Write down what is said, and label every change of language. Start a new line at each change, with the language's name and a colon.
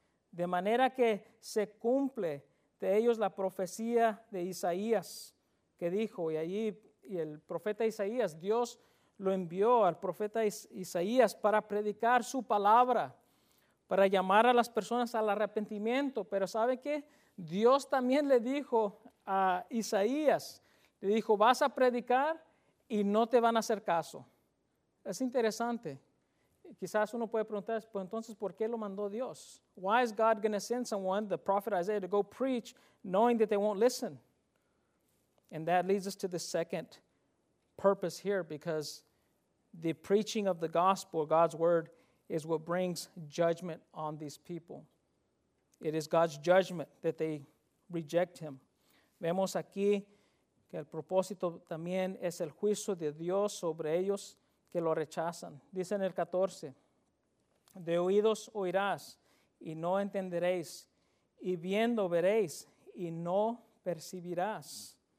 Spanish: De manera que se cumple de ellos la profecía de Isaías, que dijo, y allí y el profeta Isaías, Dios lo envió al profeta Isaías para predicar su palabra, para llamar a las personas al arrepentimiento. Pero ¿sabe qué? Dios también le dijo a Isaías, le dijo, vas a predicar y no te van a hacer caso. Es interesante. Quizás uno puede preguntar, pues entonces, ¿por qué lo mandó Dios?
English: Why is God going to send someone, the prophet Isaiah, to go preach knowing that they won't listen? And that leads us to the second purpose here, because the preaching of the gospel, God's word, is what brings judgment on these people. It is God's judgment that they reject him.
Spanish: Vemos aquí que el propósito también es el juicio de Dios sobre ellos que lo rechazan. Dice en el 14, de oídos oirás y no entenderéis, y viendo veréis y no percibirás.